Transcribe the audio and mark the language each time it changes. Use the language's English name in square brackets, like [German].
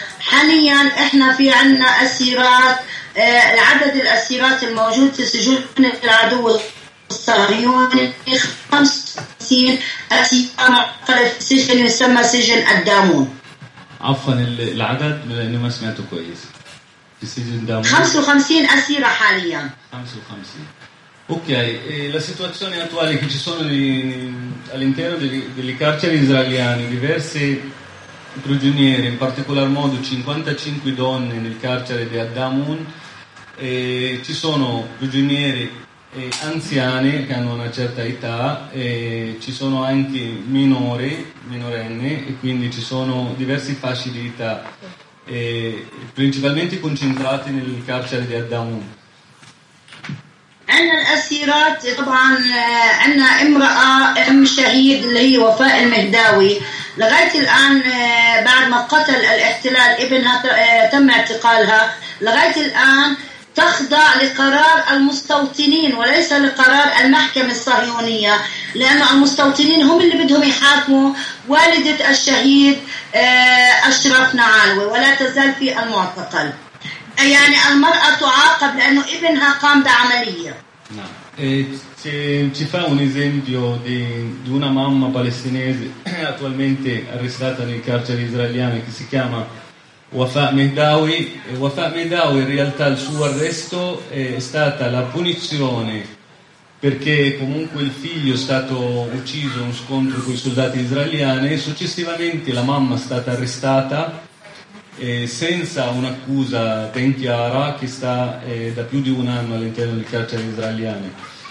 [Arabic] حاليا إحنا في عندنا أسيرات، العدد الأسيرات الموجود في سجون العدو الصهيوني 55 أسيرة معتقلة في سجن يسمى سجن الدامون. عفوا العدد لأني ما سمعته كويس. 55 أسيرة حاليا. 55. [Italian] Ok, la situazione attuale che ci sono all'interno delle carceri israeliane, diversi prigionieri, in particolar modo 55 donne nel carcere di Adamun, ci sono prigionieri anziane che hanno una certa età, ci sono anche minorenni e quindi ci sono diversi fasci di età. Principalmente concentrati nel carcere di Adamun. [Arabic] عندنا الأسيرات طبعا عندنا امرأة ام شهيد اللي هي وفاء المهداوي لغاية الآن بعد ما قتل الاحتلال ابنها تم اعتقالها لغاية الآن تخضع لقرار المستوطنين وليس لقرار المحكمة الصهيونية لأن المستوطنين هم اللي بدهم يحاكموا والدة الشهيد أشرف نعالوي ولا تزال في المعتقل. يعني المرأة تعاقب لأنه ابنها قام بعملية. نعم. [Italian] Ci fa un esempio di una mamma palestinese attualmente arrestata nel carcere israeliano che si chiama Wafa Mehdawi. Wafa Mehdawi, in realtà il suo arresto è stata la punizione perché comunque il figlio è stato ucciso in un scontro con i soldati israeliani e successivamente la mamma è stata arrestata senza un'accusa ben chiara che sta da più di un anno all'interno del carcere israeliano.